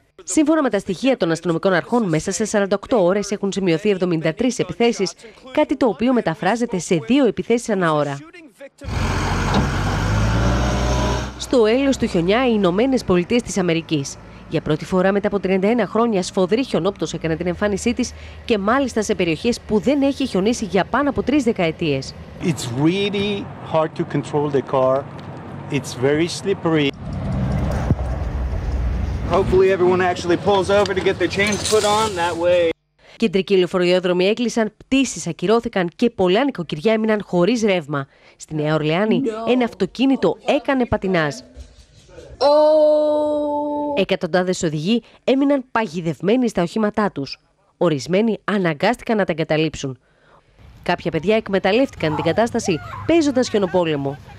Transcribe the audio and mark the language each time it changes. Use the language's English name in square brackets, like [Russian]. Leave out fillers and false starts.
[Greek] Σύμφωνα με τα στοιχεία των αστυνομικών αρχών, μέσα σε 48 ώρες έχουν σημειωθεί 73 επιθέσεις, κάτι το οποίο μεταφράζεται σε 2 επιθέσεις ανά ώρα. Στο έλεος του χιονιά, οι Ηνωμένες Πολιτείες της Αμερικής. Για πρώτη φορά μετά από 31 χρόνια, σφοδρή χιονόπτωση έκανε την εμφάνισή της και μάλιστα σε περιοχές που δεν έχει χιονίσει για πάνω από 3 δεκαετίες. [English] It's really hard to control the car. It's very slippery. Hopefully everyone actually pulls over to get their chains put on that way. [Greek] Κεντρικοί λεωφορείοδρομοι έκλεισαν, πτήσεις ακυρώθηκαν και πολλά νοικοκυριά έμειναν χωρίς ρεύμα. Στη Νέα Ορλεάνη, ένα αυτοκίνητο έκανε πατινάζ. Εκατοντάδες οδηγοί έμειναν παγιδευμένοι στα οχήματά τους. Ορισμένοι αναγκάστηκαν να τα εγκαταλείψουν. Κάποια παιδιά εκμεταλλεύτηκαν την κατάσταση παίζοντας χιονοπόλεμο.